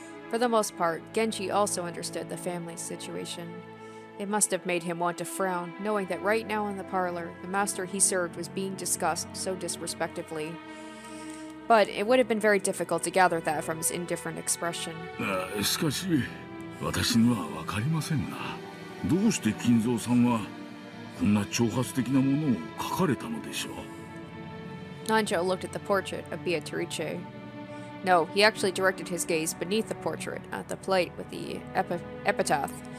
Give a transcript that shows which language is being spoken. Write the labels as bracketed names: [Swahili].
[English] For the most part, Genji also understood the family's situation. It must have made him want to frown, knowing that right now in the parlor, the master he served was being discussed so disrespectfully. But it would have been very difficult to gather that from his indifferent expression. [Japanese] しかし、私には分かりませんが、どうして金蔵さんはこんな挑発的なものを書かれたのでしょう? [English] Nanjo looked at the portrait of Beatrice. No, he actually directed his gaze beneath the portrait at the plate with the epitaph.